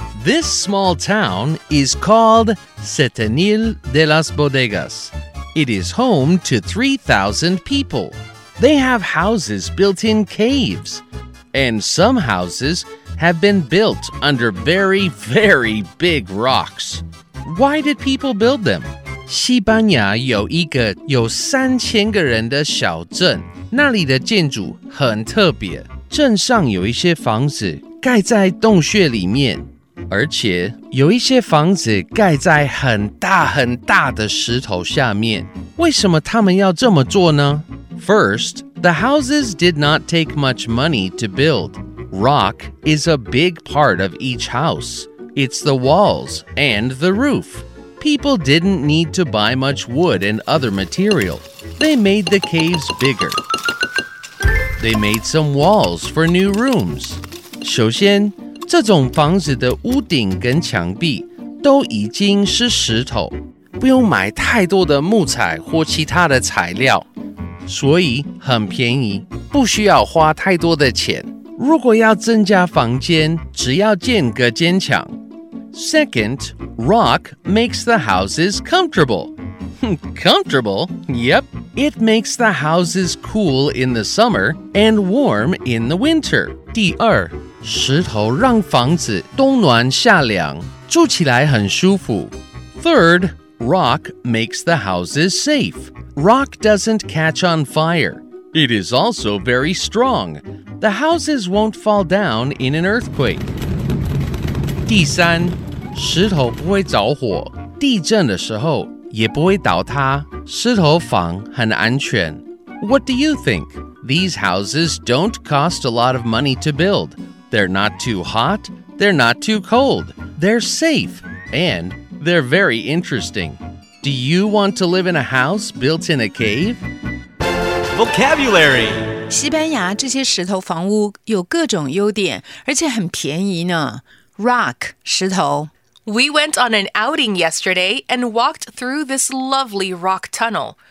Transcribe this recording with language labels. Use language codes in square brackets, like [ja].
[en] This small town is called Setenil de las Bodegas. It is home to 3,000 people. They have houses built in caves. And some houses have been built under very, very big rocks. Why did people build them? [zh] 西班牙有一個有三千個人的小鎮，那裡的建築很特別。鎮上有一些房子蓋在洞穴裡面，而且有一些房子蓋在很大很大的石頭下面。為什麼他們要這麼做呢？ [en] First, the houses did not take much money to build. Rock is a big part of each house. It's the walls and the roof. People didn't need to buy much wood and other material. They made the caves bigger. They made some walls for new rooms. [zh] 首先，这种房子的屋顶跟墙壁都已经是石头，不用买太多的木材或其他的材料，所以很便宜，不需要花太多的钱。如果要增加房间，只要建隔间墙。 [en] Second, rock makes the houses comfortable. Comfortable? Yep. It makes the houses cool in the summer and warm in the winter. [zh] 第二，石头让房子冬暖夏凉，住起来很舒服。 [en] Third, rock makes the houses safe. Rock doesn't catch on fire. It is also very strong. The houses won't fall down in an earthquake. 第三，石头不会着火，地震的时候也不会倒塌，石头房很安全。 What do you think? These houses don't cost a lot of money to build. They're not too hot, they're not too cold. They're safe, and they're very interesting. Do you want to live in a house built in a cave? Vocabulary. [zh] 西班牙这些石头房屋有各种优点，而且很便宜呢。 [en] Rock, 石头。 We went on an outing yesterday and walked through this lovely rock tunnel.